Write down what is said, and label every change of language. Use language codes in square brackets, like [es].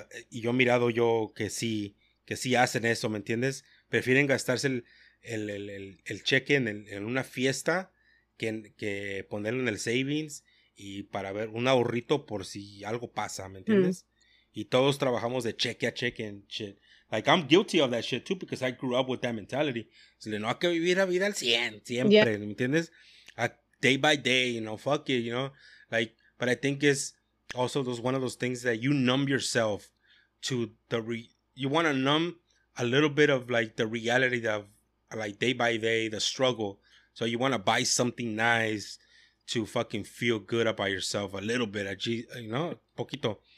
[es] Y yo he mirado yo que sí hacen eso, ¿me entiendes? Prefieren gastarse el cheque en una fiesta que ponerlo en el savings y para ver un ahorrito por si algo pasa, ¿me entiendes? Mm. Y todos trabajamos de cheque a cheque and shit. [en] Like, I'm guilty of that shit too because I grew up with that mentality. [es] So, no, hay que vivir la vida al 100, siempre, yeah. ¿me entiendes? [en] Day by day, you know, fuck it, you know? Like, but I think it's also those one of those things that you numb yourself to the... You want to numb a little bit of, like, the reality of, like, day by day, the struggle. So you want to buy something nice to fucking feel good about yourself a little bit, you know, poquito.